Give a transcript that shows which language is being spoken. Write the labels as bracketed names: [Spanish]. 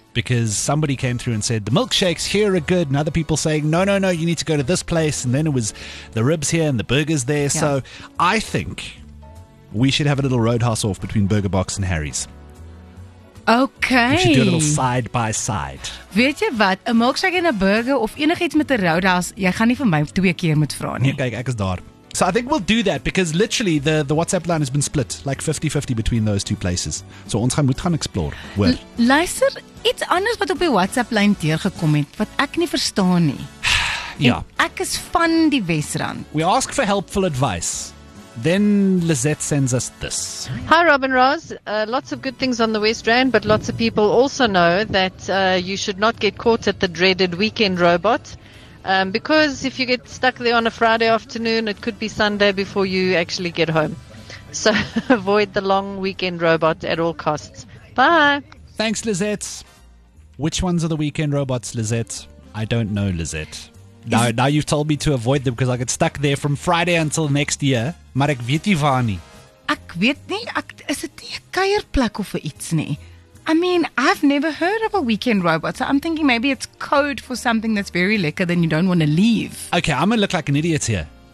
[English] Because somebody came through and said, the milkshakes here are good. And other people saying, no, you need to go to this place. And then it was the ribs here and the burgers there. Yeah. So I think... We should have a little Roadhouse off between Burger Box and Harry's. Okay. We should do a little side by side. [Afrikaans] Weet jy wat? 'N milkshake en 'n burger of enigiets met 'n Roadhouse, jy gaan nie vir my twee keer moet vra nie. Nee, kyk, ek is daar. [English] So I think we'll do that because literally the WhatsApp line has been split like 50-50 between those two places. [Afrikaans] So ons gaan moet gaan explore. Hoor. Luister, iets anders wat op die WhatsApp line deurgekom het wat ek nie verstaan nie. Ja. Ek is van die Wesrand. [English] We ask for helpful advice. Then Lizette sends us this. Hi, Rob and Roz. Lots of good things on the West Rand, but lots of people also know that you should not get caught at the dreaded weekend robot. Because if you get stuck there on a Friday afternoon, it could be Sunday before you actually get home. So avoid the long weekend robot at all costs. Bye. Thanks, Lizette. Which ones are the weekend robots, Lizette? I don't know, Lizette. Now you've told me to avoid them because I get stuck there from Friday until next year. [Afrikaans] Maar ek weet nie waar nie. Ek weet nie, is dit nie 'n kuierplek of iets nie? [English] I mean, I've never heard of a weekend robot, so I'm thinking maybe it's code for something that's very liquor then you don't want to leave. Okay, I'm going to look like an idiot here.